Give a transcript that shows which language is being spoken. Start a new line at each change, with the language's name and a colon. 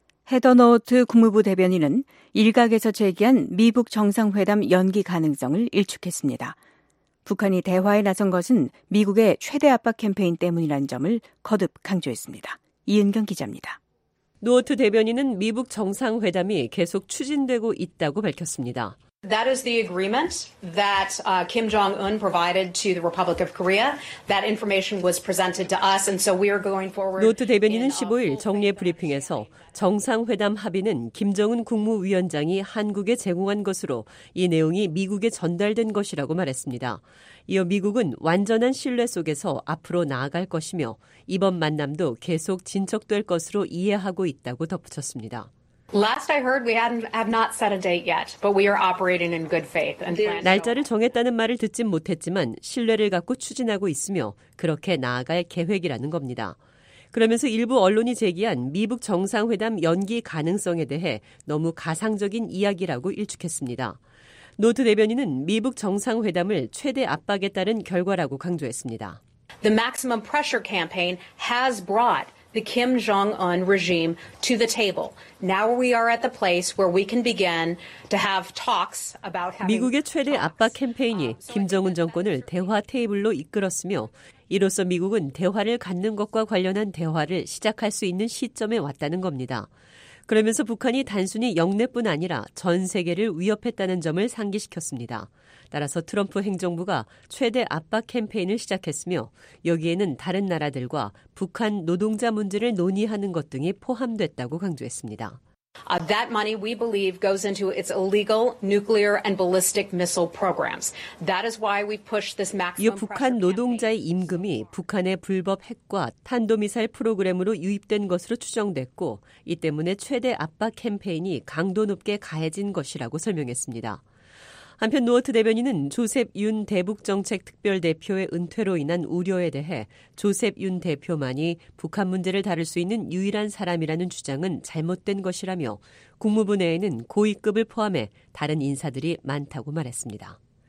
Korean: 헤더 노트 국무부 대변인은 일각에서 제기한 미북 정상회담 연기 가능성을 일축했습니다. 북한이 대화에 나선 것은 미국의 최대 압박 캠페인 때문이라는 점을 거듭 강조했습니다. 이은경 기자입니다. 노어트 대변인은 미국 정상회담이 계속 추진되고 있다고 밝혔습니다.
English: That is the agreement that Kim Jong-un provided to the Republic of Korea. That information was presented to us, and so we are going forward.
Korean: 노트 대변인은 15일 정례 브리핑에서 정상회담 합의는 김정은 국무위원장이 한국에 제공한 것으로 이 내용이 미국에 전달된 것이라고 말했습니다. 이어 미국은 완전한 신뢰 속에서 앞으로 나아갈 것이며 이번 만남도 계속 진척될 것으로 이해하고 있다고 덧붙였습니다.
English: Last I heard, we have not set a date yet, but we are operating in good faith.
Korean: 날짜를 정했다는 말을 듣진 못했지만 신뢰를 갖고 추진하고 있으며 그렇게 나아갈 계획이라는 겁니다. 그러면서 일부 언론이 제기한 미북 정상회담 연기 가능성에 대해 너무 가상적인 이야기라고 일축했습니다. 노트 대변인은 미북 정상회담을 최대 압박에 따른 결과라고 강조했습니다.
English: The maximum pressure campaign has brought the Kim Jong-un regime to the table. Now we are at the place where we can begin to have talks about having
Korean: 미국의 최대 압박 캠페인이 김정은 정권을 대화 테이블로 이끌었으며 이로써 미국은 대화를 갖는 것과 관련한 대화를 시작할 수 있는 시점에 왔다는 겁니다. 그러면서 북한이 단순히 영내뿐 아니라 전 세계를 위협했다는 점을 상기시켰습니다. 따라서 트럼프 행정부가 최대 압박 캠페인을 시작했으며 여기에는 다른 나라들과 북한 노동자 문제를 논의하는 것 등이 포함됐다고 강조했습니다.
English: That money we believe goes into its illegal nuclear and ballistic missile programs. That is why we push this maximum pressure.
Korean: 이 북한 노동자의 임금이 북한의 불법 핵과 탄도미사일 프로그램으로 유입된 것으로 추정됐고 이 때문에 최대 압박 캠페인이 강도 높게 가해진 것이라고 설명했습니다. 한편 노어트 대변인은 조셉 윤 대북정책특별대표의 은퇴로 인한 우려에 대해 조셉 윤 대표만이 북한 문제를 다룰 수 있는 유일한 사람이라는 주장은 잘못된 것이라며 국무부 내에는 고위급을 포함해 다른 인사들이 많다고 말했습니다.